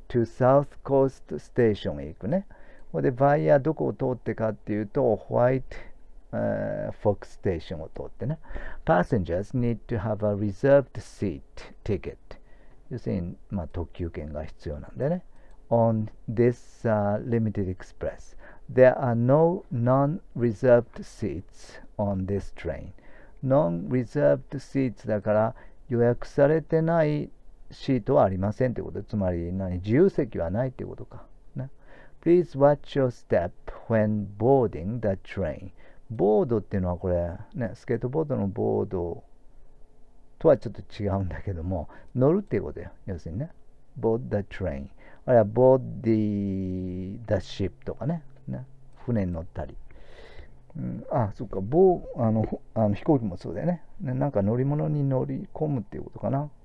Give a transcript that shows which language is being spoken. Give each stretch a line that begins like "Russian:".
English: To South Coast Station
Japanese: へ行くね。ほんで、バイアどこを通ってかっていうと、ホワイト、フォックステーションを通ってね。
English: Passengers need to have a reserved seat ticket。
Japanese: 要するに、まあ、特急券が必要なんだよね。
English: On this, limited express. There are no non-reserved seats on this train. Non-reserved seats
Japanese: だから予約されてないシートはありませんってこと。つまり何、自由席はないってことか。ね。
English: Please watch your step when boarding the train.
Japanese: ボードっていうのはこれ、ね、スケートボードのボードとはちょっと違うんだけども、乗るっていうことよ。要するにね。
English: Board the train。
Japanese: あれはボディダシップとかね、ね、船に乗ったり。あ、そっか、飛行機もそうだよね。ね、なんか乗り物に乗り込むっていうことかな。